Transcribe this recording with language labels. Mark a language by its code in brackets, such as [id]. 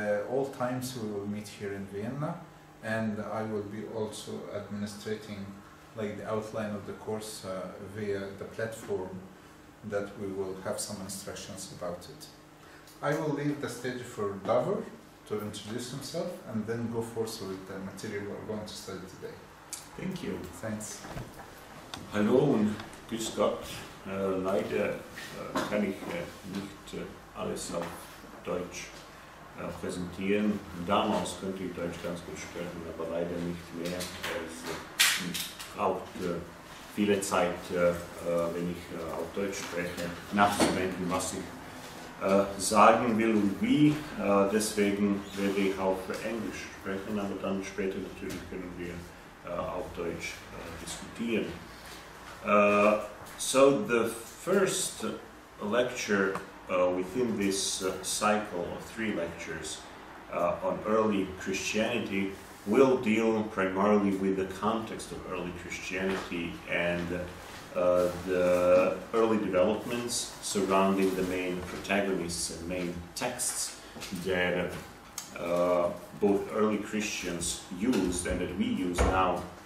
[en] All times we will meet here in Vienna, and I will be also administrating like the outline of the course via the platform that we will have some instructions about it. I will leave the stage for Davor to introduce himself and then go forth with the material we're going to study today. Thank you. Thanks. [de] Hallo und grüß Gott. Leider kann ich nicht alles auf Deutsch präsentieren. Damals könnte ich Deutsch ganz gut sprechen, aber leider nicht mehr. Es braucht viele Zeit, wenn ich auf Deutsch spreche, nachzudenken, was ich sagen will und wie. Deswegen werde ich auch für Englisch sprechen, aber dann später natürlich können wir auf Deutsch diskutieren. [en] So the first lecture within this cycle of three lectures on early Christianity will deal primarily with the context of early Christianity and the early developments surrounding the main protagonists and main texts that both early Christians used and that we use now